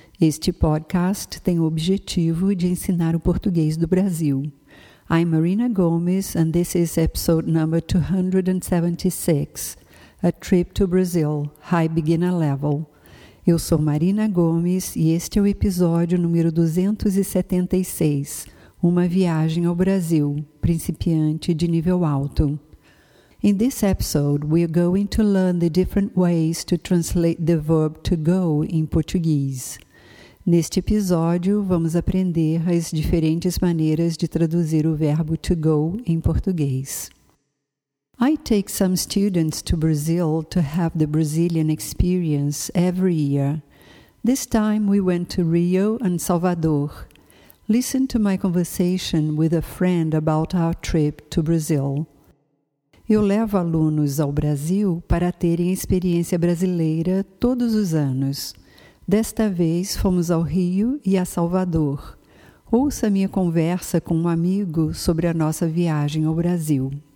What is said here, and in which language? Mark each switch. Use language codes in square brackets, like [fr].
[pt] Este podcast tem o objetivo de ensinar o português do Brasil. [en] I'm Marina Gomes, and this is episode number 276, A Trip to Brazil, High Beginner Level. [pt] Eu sou Marina Gomes, e este é o episódio número 276, Uma Viagem ao Brasil, Principiante de Nível Alto. [en] In this episode, we are going to learn the different ways to translate the verb to go in Portuguese. [pt] Neste episódio, vamos aprender as diferentes maneiras de traduzir o verbo to go em português. [en] I take some students to Brazil to have the Brazilian experience every year. This time we went to Rio and Salvador. Listen to my conversation with a friend about our trip to Brazil. [pt] Eu levo alunos ao Brasil para terem experiência brasileira todos os anos. Desta vez, fomos ao Rio e a Salvador. Ouça minha conversa com um amigo sobre a nossa viagem ao Brasil.